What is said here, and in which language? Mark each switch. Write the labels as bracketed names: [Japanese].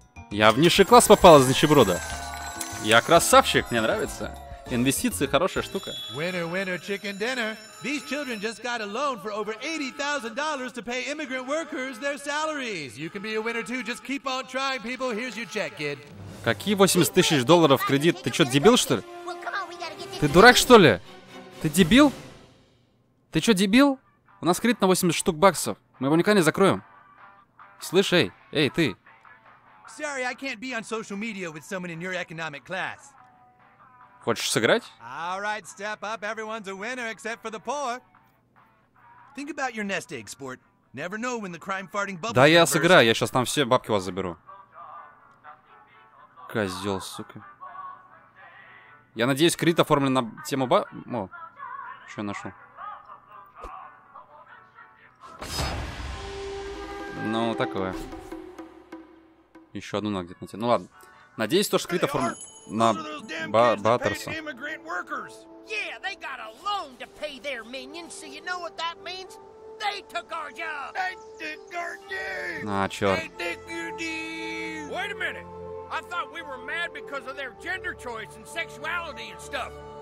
[Russian] Я в низший класс попал из нищеброда. Я красавчик, мне нравится. Инвестиции хорошая штука. [English] Winner, winner, chicken dinner. These children just got a loan for over $80,000 to pay immigrant workers their salaries. You can be a winner too. Just keep on trying, people. Here's your check, kid. [Russian] Какие 80 тысяч долларов в кредит? Ты чё, дебил, что ли? Ты дурак, что ли? Ты дебил? Ты чё, дебил? У нас кредит на 80 штук баксов. Мы его никогда не закроем. Слышь, эй, эй, ты. [English] Sorry, I can't be on social media with someone in your economic class. [Russian] Хочешь сыграть? [English] All right, step up. Everyone's a winner except for the poor. Think about your nest egg, sport. Never know when the crime farting bubble. [Russian] Да я сыграю, я сейчас там все бабки вас заберу. Козел, сука. Я надеюсь, кредит оформлен на тему ба. О, что я нашел? Ну, такое. Еще одну надо где-то найти. Ну ладно. Надеюсь, то, что скрыт оформлен на Баттерса. [English] Yeah, they got a loan to pay their minions, so you know what that means? They took our job! They took our job! [Russian] А, черт. [English] They took your job! Wait a minute! I thought we were mad because of their gender choice and sexuality and stuff.